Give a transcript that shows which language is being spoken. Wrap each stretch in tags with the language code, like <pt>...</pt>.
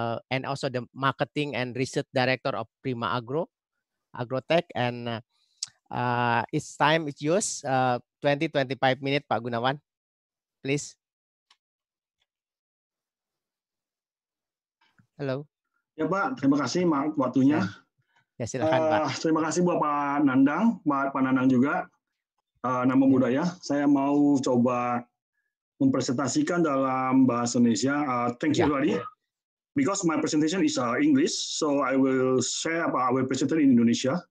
<en>and also the marketing and research director of Prima Agro, Agrotech, and it's time, it's yours, 20-25 minutes, Pak Gunawan, please.</en> <id>Halo. Ya Pak, terima kasih Mark, waktunya. Ya, silakan Pak. Terima kasih buat Pak Nandang juga, nama budaya. Saya mau coba mempresentasikan dalam bahasa Indonesia.</id> <en>Thank you, Rudy. Because my presentation is English, so I will share about our presentation in Indonesia.</en>